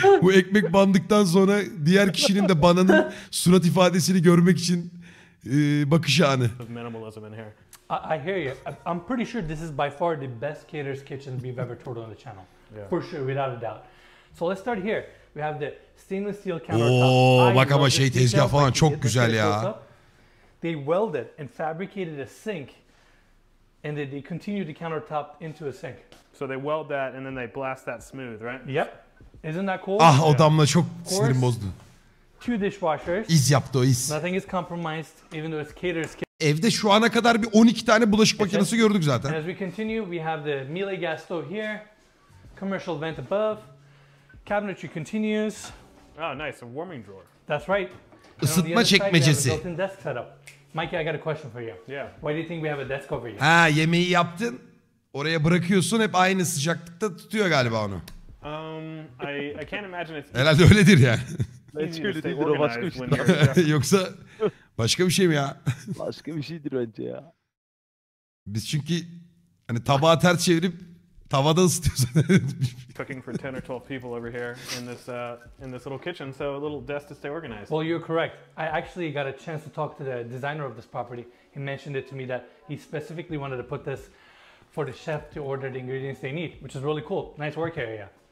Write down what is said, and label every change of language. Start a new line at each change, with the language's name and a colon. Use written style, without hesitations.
Turkish: Bu ekmek bandıktan sonra diğer kişinin de bananın surat ifadesini görmek için bakış anı.
English: Minimalism in here. I hear you. I'm pretty sure this is by far the best caterer's kitchen we've ever toured on the channel. Yeah. For sure, without a doubt. So let's start here. We have the stainless steel countertop.
Turkish: Oo, bak ama şey tezgah falan çok güzel ya.
English: They welded and fabricated a sink and they continued the countertop into a sink. So they weld that and then they blast that smooth, right? Yep. Isn't that cool?
Turkish: Ah, o damla çok sinirim bozdu.
English: Two dishwashers.
Turkish: İz yaptı o iz.
English: Nothing is compromised even though it's caterer's kitchen.
Turkish: Evde şu ana kadar bir 12 tane bulaşık makinesi gördük zaten.
English: And as we continue, we have the Miele gas stove here. Commercial vent above. Cabinetry continues. Oh, nice, a warming drawer. That's right.
Turkish: Isıtma çekmecesi.
English: Desk setup. Mikey, I got a question for you. Yeah. Why do you think we have a desk over here?
Turkish: Ha, yemeği yaptın. Oraya bırakıyorsun. Hep aynı sıcaklıkta tutuyor galiba onu.
English: I can't imagine it's.
Turkish: Herhalde öyledir ya. Öyledir o başka bir şey. Yoksa başka bir şey mi ya? Başka bir şeydir bence ya. Biz çünkü hani tabağı ters çevirip tavada ısıtıyorsun.
English: Cooking for 10 or 12 people over here in this little kitchen, so a little desk to stay organized. Well, you're correct. I actually got a chance to talk to the designer of this property. He mentioned it to me that he specifically wanted to put this for the chef to order the ingredients they need, which is really cool. Nice work area.